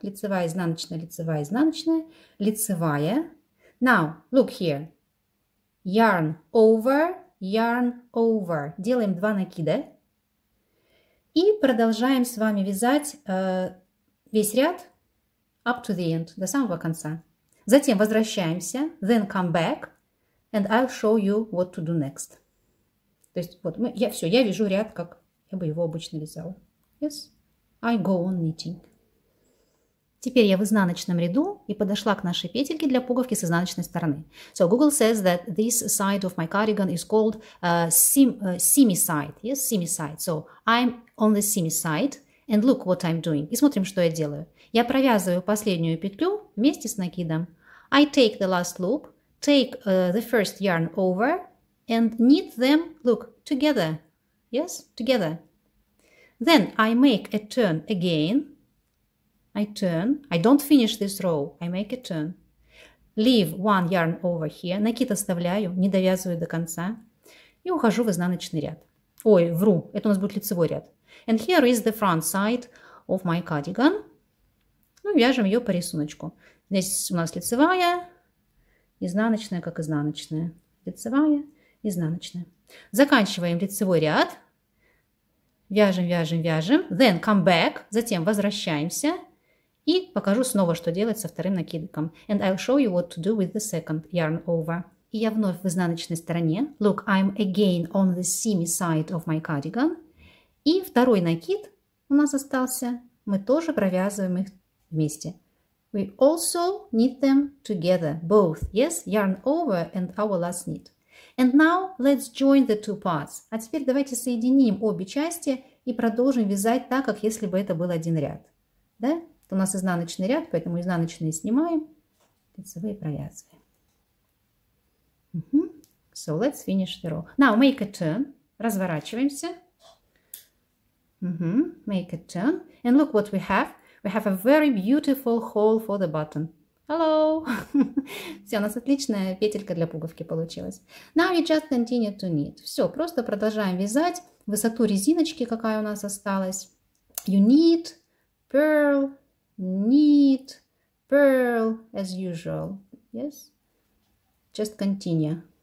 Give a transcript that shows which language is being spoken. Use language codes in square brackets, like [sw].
[ru] Лицевая, изнаночная, лицевая, изнаночная. Лицевая. [en] Now, look here. Yarn over, yarn over. [ru] Делаем два накида. И продолжаем с вами вязать весь ряд [en] up to the end, [ru] до самого конца. Затем возвращаемся. [en] Then come back and I'll show you what to do next. [ru] То есть, вот, я вяжу ряд как... Я бы его обычно вязала. [en] Yes, I go on knitting. [ru] Теперь я в изнаночном ряду и подошла к нашей петельке для пуговки с изнаночной стороны. [en] So Google says that this side of my cardigan is called semi-side. Yes, semi-side. So I'm on the semi-side and look what I'm doing. [ru] И смотрим, что я делаю. Я провязываю последнюю петлю вместе с накидом. [en] I take the last loop, take the first yarn over and knit them, look, together. Yes, together. Then I make a turn again. I turn. I don't finish this row. I make a turn. Leave one yarn over here. [ru] Накид оставляю, не довязываю до конца. И ухожу в изнаночный ряд. Ой, вру. Это у нас будет лицевой ряд. [en] And here is the front side of my cardigan. [ru] Ну, вяжем ее по рисунку. Здесь у нас лицевая, изнаночная, как изнаночная. Лицевая. изнаночная. Заканчиваем лицевой ряд. Вяжем, вяжем, вяжем. [en] Then come back. [ru] Затем возвращаемся. И покажу снова, что делать со вторым накидком. [en] And I'll show you what to do with the second yarn over. [ru] И я вновь в изнаночной стороне. [en] Look, I'm again on the seamy side of my cardigan. [ru] И второй накид у нас остался. Мы тоже провязываем их вместе. [en] We also knit them together, both. Yes, yarn over and our last knit. And now let's join the two parts. [ru] А теперь давайте соединим обе части и продолжим вязать так, как если бы это был один ряд. Да? У нас изнаночный ряд, поэтому изнаночные снимаем, лицевые провязываем. [en] So let's finish the row. Now make a turn. [ru] Разворачиваемся. [en] Make a turn. And look what we have. We have a very beautiful hole for the button. Hello! [ru] Все, у нас отличная петелька для пуговки получилась. [en] Now you just continue to knit. [ru] Все, просто продолжаем вязать. Высоту резиночки, какая у нас осталась. [en] You knit, purl, knit, purl, as usual. Yes? Just continue.